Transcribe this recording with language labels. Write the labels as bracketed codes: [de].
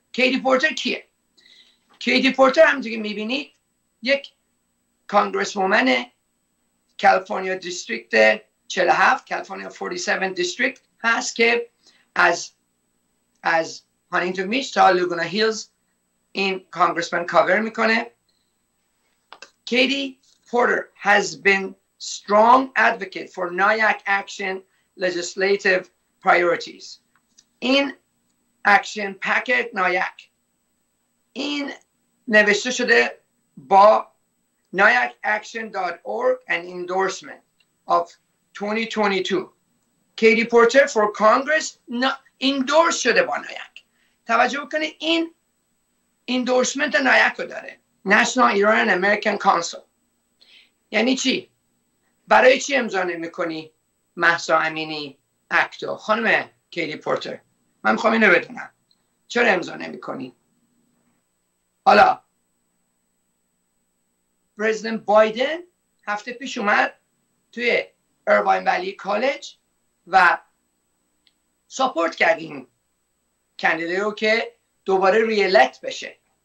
[fa] کیتی پورتر کیه؟ کیتی پورتر همونطور که میبینید یک کانگرس وومن کالیفرنیا دیستریکت 47، کالیفرنیا 47 دیستریکت هست که از هانینگتون میچ تا لوگونا هیلز این کانگرسمن کاور میکنه. [en] Katie Porter has been strong advocate for NIAC action legislative priorities. [fa] این [en] action packet [fa] NIAC این نوشته شده با NIACaction.org [en] and endorsement of 2022. Katie Porter for Congress endorsed [fa] شده با [en] NIAC. [fa] توجه بکنه این endorsement NIAC رو داره. [en] National Iran American Council. [fa] یعنی چی؟ برای چی امضا نمی‌کنی مهسا امینی اکت رو؟ خانم کیتی پورتر، من می‌خوام اینو بدونم. چرا امضا نمی‌کنی؟ حالا پرزیدنت بایدن هفته پیش اومد توی ایرواین ولی کالج و ساپورت کرد این کاندیدای رو که دوباره ریلکت بشه.